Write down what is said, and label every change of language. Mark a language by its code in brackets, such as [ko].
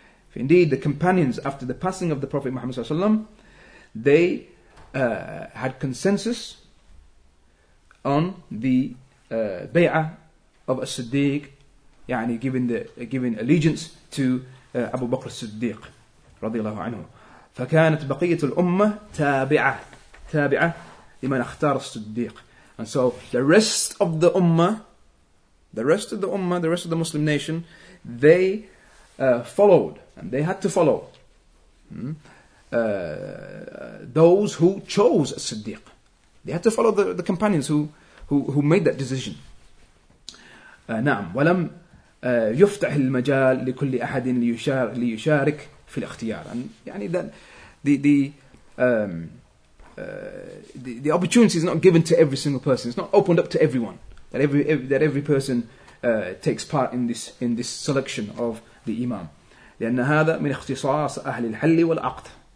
[en] For indeed, the companions, after the passing of the Prophet Muhammad صلى الله عليه وسلم, they had consensus on the bay'ah of As-Siddiq, يعني giving allegiance to Abu Bakr as-Siddiq رضي الله عنه. [ar] فكانت بقية الأمة تابعة لمن اختار الصديق. [en] And so the rest of the Muslim nation, they followed, and they had to follow those who chose as-Siddiq. They had to follow the companions who made that decision. [ar] نعم ولم يفتح المجال لكل أحد ليشارك في الاختيار. [en] And يعني the opportunity is not given to every single person. It's not opened up to everyone. That every person takes part in this selection of the imam. [ar] لأن هذا من اختصاص أهل الحل والعقد.